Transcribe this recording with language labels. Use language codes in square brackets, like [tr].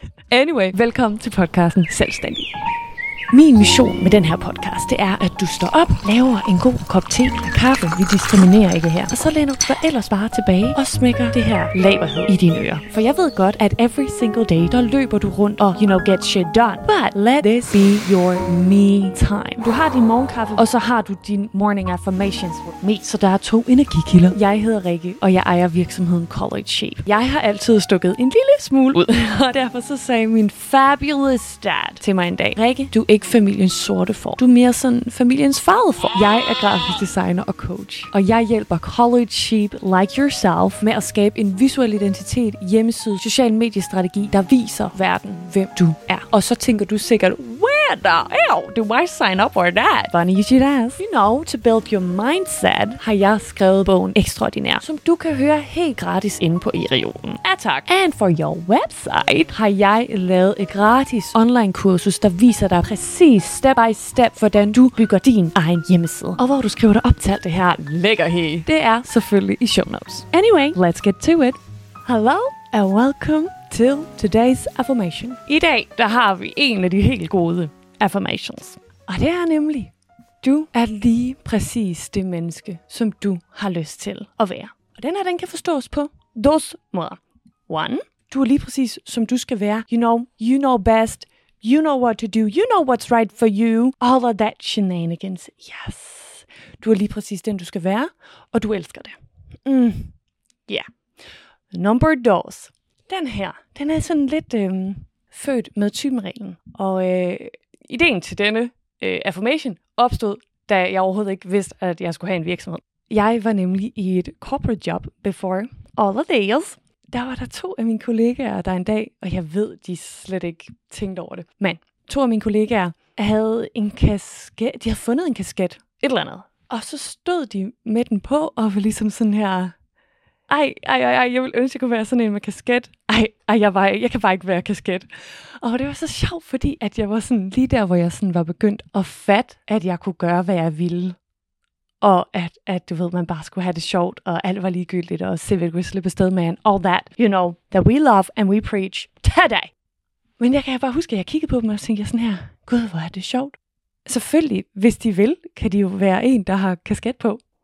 [da] Anyway, velkommen til podcasten Selvstændig. Min mission med den her podcast, det er, at du står op, laver en god kop te eller kaffe, vi diskriminerer ikke her, og så læner du dig ellers bare tilbage og smækker det her laberhed i dine ører. For jeg ved godt, at [en] every single day, [da] der løber du rundt og, [en] you know, get shit done. But let this be your me time. [da] Du har din morgenkaffe, og så har du din [en] morning affirmations with me. [da] Så der er to energikilder. Jeg hedder Rikke, og jeg ejer virksomheden College Shape. Jeg har altid stukket en lille smule ud, og derfor så sagde min [en] fabulous dad [da] til mig en dag, Rikke, du ikke familiens sorte for. Du er mere sådan familiens farvede for. Jeg er grafisk designer og coach, og jeg hjælper college sheep [en] like yourself [da] med at skabe en visuel identitet, hjemmeside, social mediestrategi, der viser verden, hvem du er. Og så tænker du sikkert, [en] where the hell do I sign up for that? Funny you should ask. You know, to build your mindset, [da] har jeg skrevet bogen Ekstraordinær, som du kan høre helt gratis inde på Erioden. Ja, tak. [en] And for your website, [da] har jeg lavet et gratis online kursus, der viser dig præcis [en] step by step, [da] hvordan du bygger din egen hjemmeside. Og hvor du skriver dig op til alt det her lækkerhed. Det er selvfølgelig i [en] show notes. Anyway, let's get to it. Hello and welcome to today's affirmation. [da] I dag, der har vi en af de helt gode affirmations. Og det er nemlig, du er lige præcis det menneske, som du har lyst til at være. Og den her, den kan forstås på dos måder. [en] One, [da] du er lige præcis, som du skal være. [en] You know best. You know what to do. You know what's right for you. All of that shenanigans. Yes. [da] Du er lige præcis den, du skal være, og du elsker det. Mm. Yeah. Number dos. Den her, den er sådan lidt født med typenreglen. Og ideen til denne affirmation opstod, da jeg overhovedet ikke vidste, at jeg skulle have en virksomhed. Jeg var nemlig i et corporate job [en] before all of this. [da] Der var der to af mine kollegaer, der en dag, og jeg ved, de slet ikke tænkte over det, men to af mine kollegaer havde en kasket, de havde fundet en kasket, et eller andet. Og så stod de med den på, og var ligesom sådan her, ej, jeg ville ønske, jeg kunne være sådan en med kasket. Jeg kan bare ikke være kasket. Og det var så sjovt, fordi at jeg var sådan lige der, hvor jeg sådan var begyndt at fatte, at jeg kunne gøre, hvad jeg ville. Og at du ved, man bare skulle have det sjovt, og alt var ligegyldigt, og civil whistle på sted, man. [en] All that, you know, that we love and we preach today. [da] Men jeg kan bare huske, at jeg kiggede på dem, og tænkte sådan her, gud, hvor er det sjovt. Selvfølgelig, hvis de vil, kan de jo være en, der har kasket på.